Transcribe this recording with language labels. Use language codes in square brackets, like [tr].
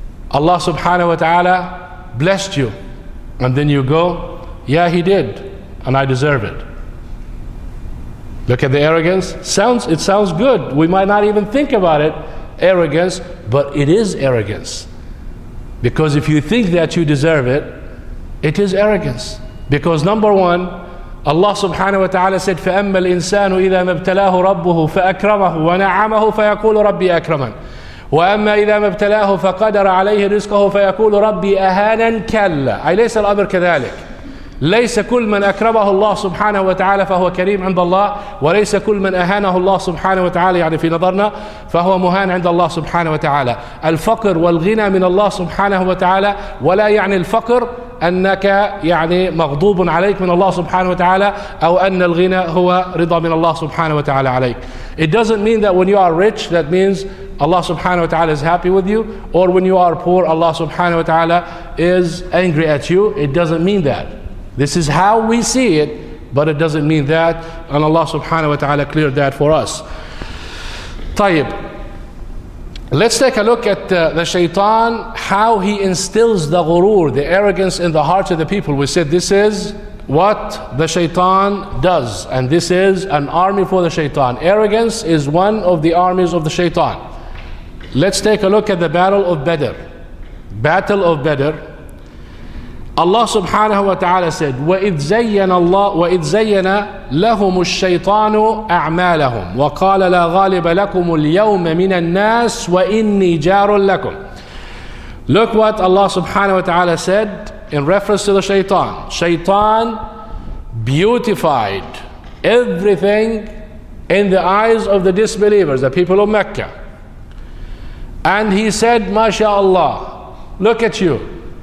[en] Allah subhanahu wa ta'ala blessed you. And then you go, yeah, he did, and I deserve it. Look at the arrogance. It sounds good. We might not even think about it, arrogance, but it is arrogance. Because if you think that you deserve it, it is arrogance. Because number one, Allah subhanahu wa ta'ala said, [ar] فَأَمَّا الْإِنسَانُ إِذَا مَبْتَلَاهُ رَبُّهُ فَأَكْرَمَهُ وَنَعَمَهُ فَيَقُولُ رَبِّي أَكْرَمًا وَأَمَّا إِذَا مَبْتَلَاهُ فَقَدَرَ عَلَيْهِ رِزْقَهُ فَيَقُولُ رَبِّي أَهَانًا كَلَّا أليس الأمر كذلك؟ ليس كل من أكرمه الله سبحانه وتعالى فهو كريم عند الله وليس كل من أهانه الله سبحانه وتعالى يعني في نظرنا فهو مهان عند الله سبحانه وتعالى الفقر والغنى من الله سبحانه وتعالى ولا يعني الفقر أنك يعني مغضوب عليك من الله سبحانه وتعالى أو أن الغنى هو رضا من الله سبحانه وتعالى عليك. [en] It doesn't mean that when you are rich that means Allah subhanahu wa ta'ala is happy with you, or when you are poor Allah subhanahu wa ta'ala is angry at you. It doesn't mean that. This is how we see it, but it doesn't mean that, and Allah subhanahu wa ta'ala cleared that for us. Tayyib, let's take a look at the shaitan, how he instills the ghurur, the arrogance in the hearts of the people. We said this is what the shaitan does, and this is an army for the shaitan. Arrogance is one of the armies of the shaitan. Let's take a look at the Battle of Badr. Battle of Badr. Allah subhanahu wa ta'ala said, [ar] وَإِذْ زَيَّنَ اللَّهُ وَإِذْ زَيَّنَ لَهُمُ الشَّيْطَانُ أَعْمَالَهُمْ وَقَالَ لَا غَالِبَ لَكُمُ الْيَوْمَ مِنَ النَّاسِ وَإِنِّي جَارٌ لَكُمْ. [en] Look what Allah subhanahu wa ta'ala said in reference to the shaitan. Shaitan beautified everything in the eyes of the disbelievers, the people of Mecca. And he said, MashaAllah, look at you.